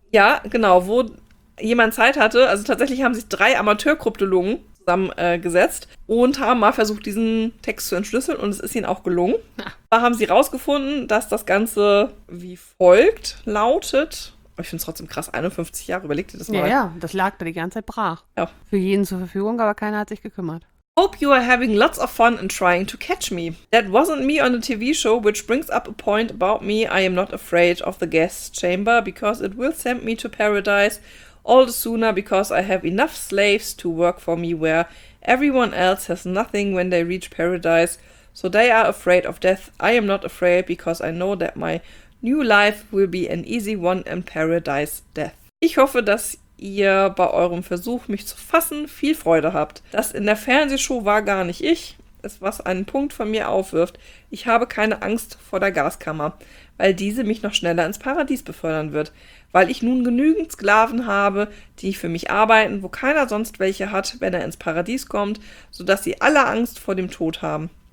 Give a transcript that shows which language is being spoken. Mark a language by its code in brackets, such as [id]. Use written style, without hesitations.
[de] Ja, genau, wo jemand Zeit hatte. Also tatsächlich haben sich 3 Amateurkryptologen zusammengesetzt und haben mal versucht, diesen Text zu entschlüsseln und es ist ihnen auch gelungen. Ja. Da haben sie rausgefunden, dass das Ganze wie folgt lautet. Ich finde es trotzdem krass, 51 Jahre, überlegt ihr das mal. Ja, ja, das lag da die ganze Zeit brach. Ja. Für jeden zur Verfügung, aber keiner hat sich gekümmert. [en] Hope you are having lots of fun and trying to catch me. That wasn't me on a TV show, which brings up a point about me. I am not afraid of the gas chamber because it will send me to paradise. All the sooner, because I have enough slaves to work for me where everyone else has nothing when they reach paradise. So they are afraid of death. I am not afraid, because I know that my new life will be an easy one in paradise death. [de] Ich hoffe, dass ihr bei eurem Versuch, mich zu fassen, viel Freude habt. Das in der Fernsehshow war gar nicht ich, ist, was einen Punkt von mir aufwirft. Ich habe keine Angst vor der Gaskammer, weil diese mich noch schneller ins Paradies befördern wird. Weil ich nun genügend Sklaven habe, die für mich arbeiten, wo keiner sonst welche hat, wenn er ins Paradies kommt, sodass sie alle Angst vor dem Tod haben.